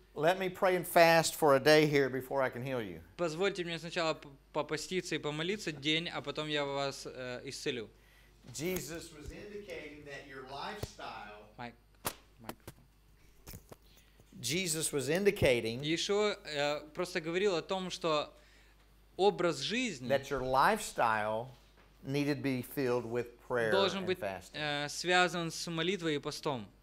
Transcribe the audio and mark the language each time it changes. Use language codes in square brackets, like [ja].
[en] Let me pray and fast for a day here before I can heal you. [ru] Позвольте мне сначала попоститься и помолиться день, а потом я вас исцелю. [en] Jesus was indicating that your lifestyle. Jesus was indicating. [ru] Еще просто говорил о том, что образ жизни. [en] That your lifestyle needed to be filled with prayer and fasting. [ru] Должен быть связан с молитвой и постом.